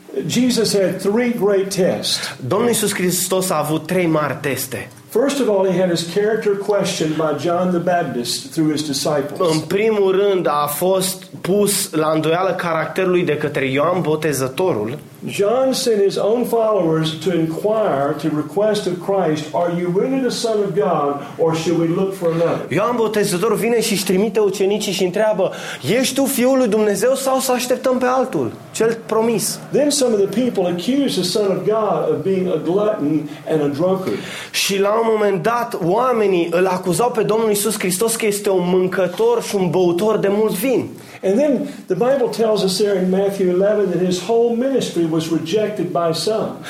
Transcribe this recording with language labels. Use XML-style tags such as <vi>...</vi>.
<en>Jesus had three great tests.</en> <ro>Domnul Iisus Hristos a avut trei mari teste.</ro> <en>First of all, he had his character questioned by John the Baptist through his disciples.</en> <ro>În primul rând, a fost pus la îndoială caracterul lui de către Ioan Botezătorul.</ro> <en>John sent his own followers to inquire, to request of Christ, "Are you really the Son of God, or should we look for another?"</en> <ro>Ioan Botezătorul vine și își trimite ucenicii și întreabă: "Ești tu Fiul lui Dumnezeu sau să așteptăm pe altul, cel promis?"</ro> <en>Then some of the people accused the Son of God of being a glutton and a drunkard.</en> <ro>Și la un moment dat, oamenii îl acuzau pe Domnul Iisus Hristos că este un mâncător și un băutor de mult vin.</ro> <en>And then the Bible tells us there in Matthew 11 that his whole ministry was rejected by some.</en>